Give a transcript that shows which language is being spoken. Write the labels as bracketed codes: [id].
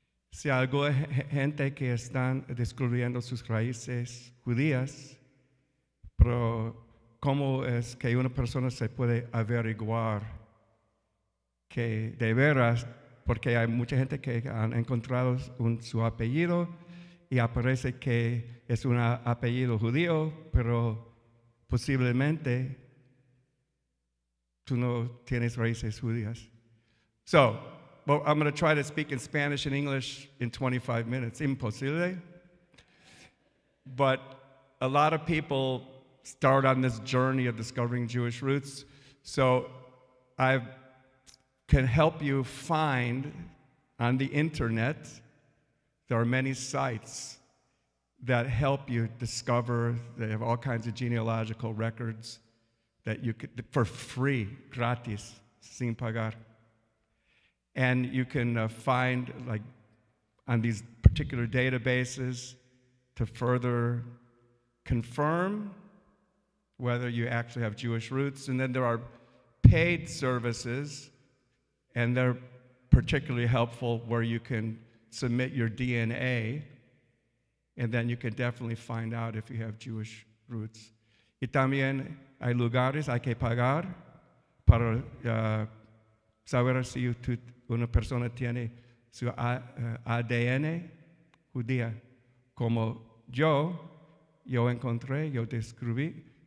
[es] Si algo es gente que están descubriendo sus raíces judías, pero ¿cómo es que una persona se puede averiguar que de veras, porque hay mucha gente que han encontrado su apellido y aparece que es un apellido judío, pero posiblemente tú no tienes raíces judías? [en] So, but I'm going to try to speak in Spanish and English in 25 minutes. Imposible. But a lot of people start on this journey of discovering Jewish roots. So I can help you find on the internet, there are many sites that help you discover. They have all kinds of genealogical records that you could, for free, [es] gratis, sin pagar. [en] And you can find, like, on these particular databases to further confirm whether you actually have Jewish roots. And then there are paid services, and they're particularly helpful where you can submit your DNA, and then you can definitely find out if you have Jewish roots. [es] Y también hay lugares hay que pagar para saber si una persona tiene su ADN judía, como yo encontré, yo descubrí.